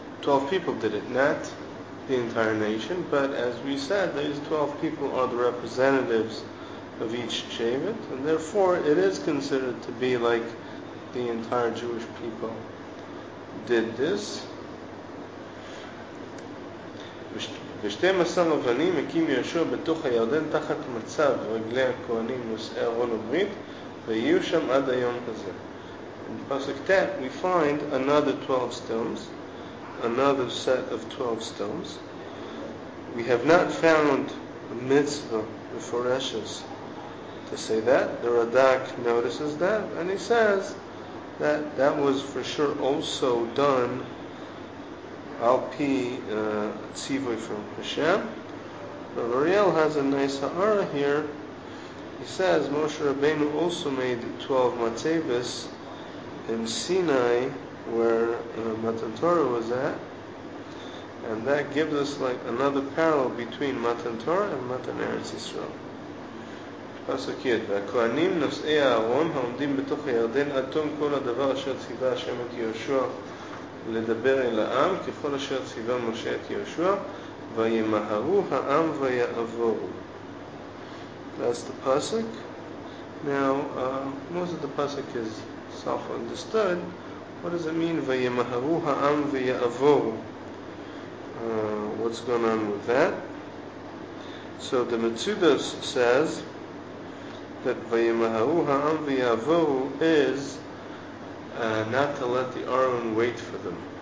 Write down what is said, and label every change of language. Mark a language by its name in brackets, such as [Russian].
[English] 12 people did it, not the entire nation. But as we said, these 12 people are the representatives of each shevet, and therefore it is considered to be like the entire Jewish people did this. [Hebrew] ושתים עשר אבנים הקים יהושע בתוך הירדן תחת מצב רגלי הכהנים נושאי ארון הברית ויהיו שם עד היום הזה. [English] In Pasuk Tet, we find another 12 stones, another set of 12 stones. We have not found a mitzvah before Eshes to say that. The Radak notices that and he says that was for sure also done al pi tzivoy from Hashem. But Ariel has a nice ha'ara here. He says Moshe Rabbeinu also made 12 matzevis in Sinai where Matan Torah was at. And that gives us like another parallel between Matan Torah and Matan Eretz Yisrael. [Hebrew] פסוק י' והכהנים נושאי אהרון העומדים בתוך הירדן עד תום כל הדבר אשר ציווה השם את יהושע לדבר אל העם ככל אשר ציווה משה את יהושע וימהרו העם ויעבורו. [English] That's the pasuk. Now, most of the pasuk is self-understood. What does it mean, [Hebrew] וימהרו העם ויעבורו? [English] What's going on with that? So the Metzudos says that [Hebrew] Vayimaharu Ha'am V'Yavohu [English] is not to let the Aaron wait for them.